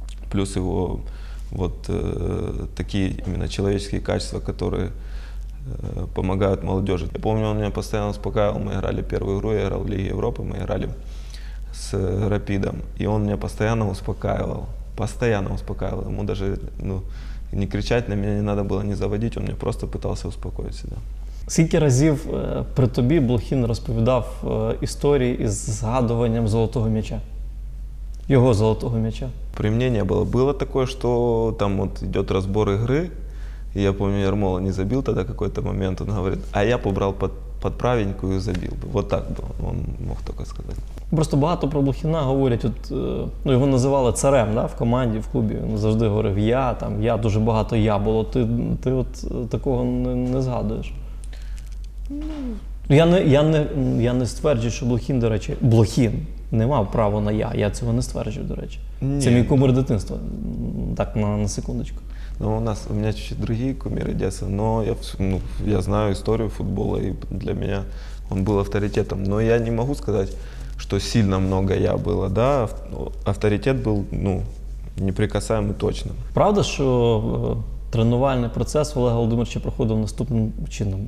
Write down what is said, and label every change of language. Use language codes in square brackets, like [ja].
[ru] Плюс его вот такие именно человеческие качества, которые помогают молодежи. Я помню, он меня постоянно успокаивал. Мы играли первую игру, я играл в Лиге Европы, мы играли с «Рапидом», и он меня постоянно успокаивал. Постоянно успокаивал. Ему даже, ну, не кричать на меня не надо было, не заводить. Он мне просто пытался успокоить себя. [uk] Скільки разів при тобі Блохин розповідав історії із згадуванням золотого м'яча? Його золотого м'яча? [ru] При мне не было. Было такое, что там вот идет разбор игры, и я помню, Ермола не забил тогда какой-то момент, он говорит, а я побрал под правенькую и забил бы. Вот так бы он мог только сказать. [uk] Просто багато про Блохина говорять, от, ну, його називали царем, да, в команді, в клубі. Він завжди говорив, я дуже багато я було. Ти от такого не згадуєш. Я не стверджую, що Блохин, до речі, Блохин не мав права на я. Я цього не стверджую, до речі. Ні. Це мій кумир дитинства. Так, на секундочку. [ru] Ну, у меня чуть-чуть другие кумиры детства, но я, ну, я знаю историю футбола, и для меня он был авторитетом. Но я не могу сказать, что сильно много я было, да, авторитет был, ну, неприкасаемый точно. [uk] Правда, что тренувальний процес Олега Володимировича проходив наступним чином?